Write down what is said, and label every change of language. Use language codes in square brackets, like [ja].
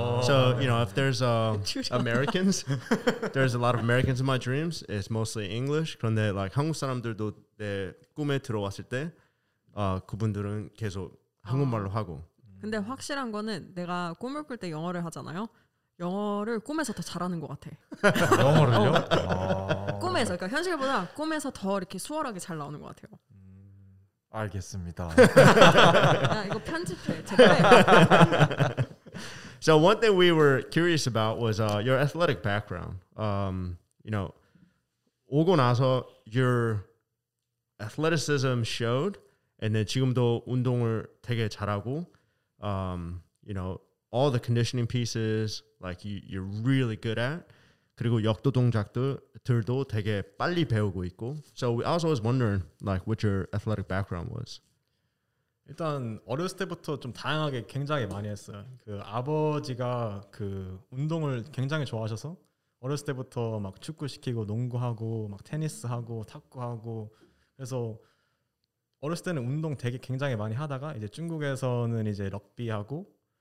[en] So you know if there's Americans there's a lot of Americans in my dreams it's mostly English. [ko] 그런데 like 한국 사람들도 내 꿈에 들어왔을 때 그분들은 계속 한국말로 하고 근데 확실한 거는 내가 꿈을 꿀 때 영어를 하잖아요. 영어를 꿈에서 더 잘하는 것 같아. 영어를요? 아. 꿈에서 그러니까 현실보다 꿈에서 더 이렇게 수월하게 잘 나오는 것 같아요. 알겠습니다. 야, 이거 편집해. 제발. [en] So one thing we were curious about was your athletic background. You know, [ko] 오고 나서 [en] your athleticism showed, and then [ko] 지금도 운동을 되게 잘하고, [en] you know. All the conditioning pieces, like you're really good at. [ko] 그리고 역도 동작들도 되게 빨리 배우고 있고. [en] So I was always wondering, like, what your athletic background was. [ko] 일단 어렸을 때부터 좀 다양하게 굉장히 많이 했어요. 그 아버지가 그 운동을 굉장히 좋아하셔서 어렸을 때부터 막 축구 시키고 농구하고 막 테니스 하고 탁구 하고 그래서. 어렸을 때는 운동 되게 굉장히 많이 하다가 이제 중국에서는 이제 럭비 하고.